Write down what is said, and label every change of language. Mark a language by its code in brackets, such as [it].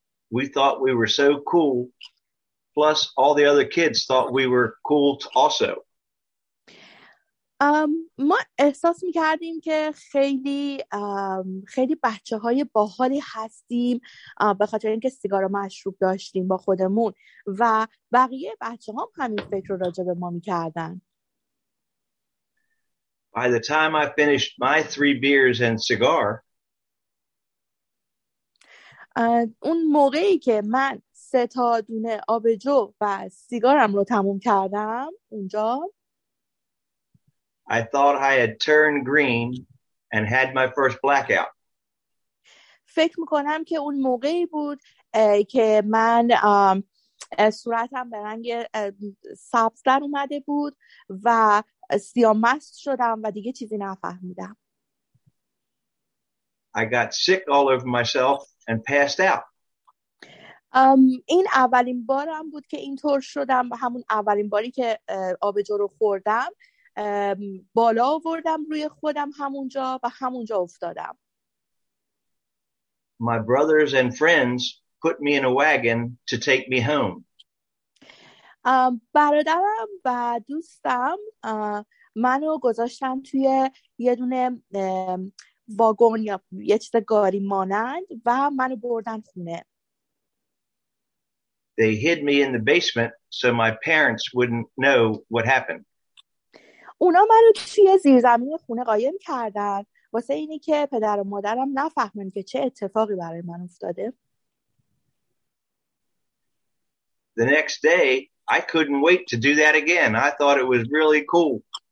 [en] We thought we were so cool. Plus, all the other kids thought we were cool also. [fa] ما احساس می‌کردیم که خیلی خیلی بچه‌های باحالی هستیم به خاطر اینکه سیگار و مشروب داشتیم با خودمون و بقیه بچه‌ها هم همین فکر راجع به ما می‌کردن. [en] By the time I finished my 3 beers and cigar, [fa] اون موقعی که من 3 تا دونه آبجو و سیگارم رو تموم کردم اونجا [en] I thought I had turned green and had my first blackout. [fa] فکر می‌کنم که اون موقعی بود که من صورتم به رنگ سبز در اومده بود و سیاه‌مست شدم و دیگه چیزی نفهمیدم. [en] I got sick all over myself and passed out. [fa] این اولین بارم بود که اینطور شدم و همون اولین باری که آبجو رو خوردم بالا آوردم روی خودم همونجا و همونجا افتادم. [en] My brothers and friends put me in a wagon to take me home. [fa] برادرم و دوستم منو گذاشتم توی یه دونه واگن یا یه چیز گاری مانند و منو بردن خونه. [en] They hid me in the basement so my parents wouldn't know what happened. [fa] اونا منو توی زیرزمین خونه قایم کردن واسه اینی که پدر و مادرم نفهمن که چه اتفاقی برای من افتاده. [en] The next day I couldn't wait to do that again. I thought it was really cool.